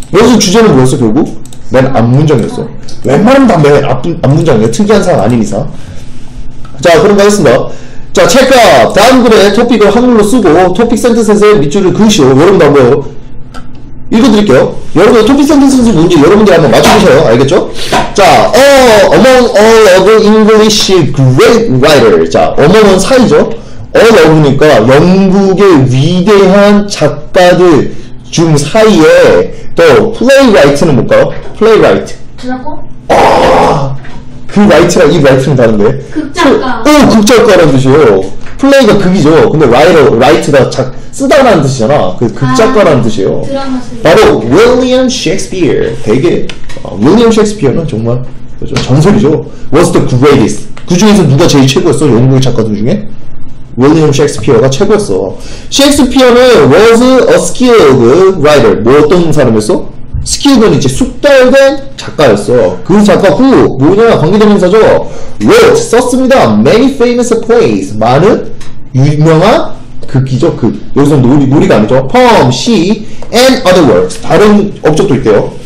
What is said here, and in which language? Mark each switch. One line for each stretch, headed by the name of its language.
Korean: 여기서 주제는 뭐였어, 결국? 맨 앞문장이었어. 웬만하면 다 맨 앞문장이에요. 특이한 사항 아닌 이상. 자, 그럼 가겠습니다. 자, 체크. 다음 글에 토픽을 한글로 쓰고, 토픽 센텐스에 밑줄을 그으시오. 여러분도 한번 읽어드릴게요. 여러분들 토픽 센텐스는 뭔지 여러분들 한번 맞춰보세요. 알겠죠?
English: 자, among all other English great writers.
Korean: 자, among은 사이죠.
English: all of
Korean: 니까 영국의 위대한 작가들 중 사이에 또 playwright는 뭘까요?
English: playwright.
Korean: 드라마? 그 라이트랑 이 라이트는 다른데. 극작가. 극작가라는 뜻이에요. 플레이가 극이죠. 근데 라이트가 쓰다라는 뜻이잖아. 그 극작가라는 뜻이에요. 바로 윌리엄 셰익스피어. 되게 윌리엄 셰익스피어는 정말 전설이죠.
English: What's the greatest?
Korean: 그 중에서 누가 제일 최고였어? 영국의 작가들 중에? 윌리엄 셰익스피어가 최고였어.
English: 셰익스피어는 was a skilled writer.
Korean: 뭐 어떤 사람이었어? 스킬은 이제 숙달된 작가였어. 그 작가 후 뭐냐 관계대명사죠. wrote 썼습니다.
English: many famous plays
Korean: 많은 유명한 극이죠. 극. 여기서 놀이가 아니죠. poem, 시
English: and other works
Korean: 다른 업적도 있대요.